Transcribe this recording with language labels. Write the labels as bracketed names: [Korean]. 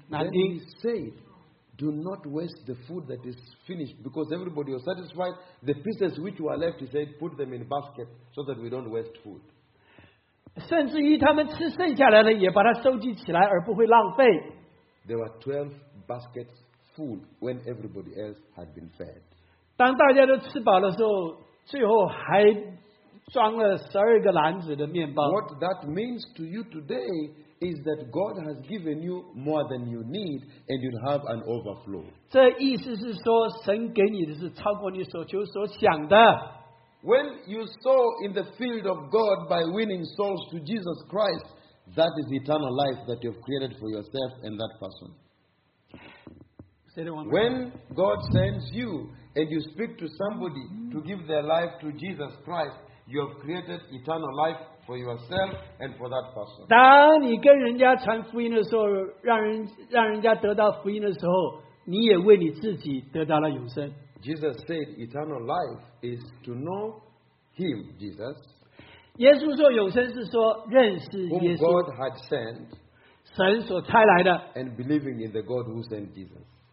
[English] Then he said, "Do not waste the food that is finished, because everybody was satisfied. The pieces which were left, he said, put them in baskets so that we don't waste food." [Chinese] 甚至于他们吃剩下来的也把它收集起来，而不会浪费。 [English] There were 12 baskets full when everybody else had been fed. [Chinese] 当大家都吃饱的时候，最后还装了12个篮子的面包。 [English] What that means to you today is that God has given you more than you need and you have an overflow. [Chinese] 这意思是说，神给你的是超过你所求所想的。 [English] When you sow in the field of God by winning souls to Jesus Christ, that is eternal life that you have created for yourself and that person. When God sends you and you speak to somebody to give their life to Jesus Christ, You have created eternal life for yourself and for that person. [Chinese] 当你跟人家传福音的时候，让人家得到福音的时候，你也为你自己得到了永生。 [English] Jesus said, "Eternal life is to know Him, Jesus." [Chinese] 耶稣说，永生是说认识耶稣。 [English] Whom God had sent. [Chinese] 神所差来的。 [English] And believing in the God who sent Jesus.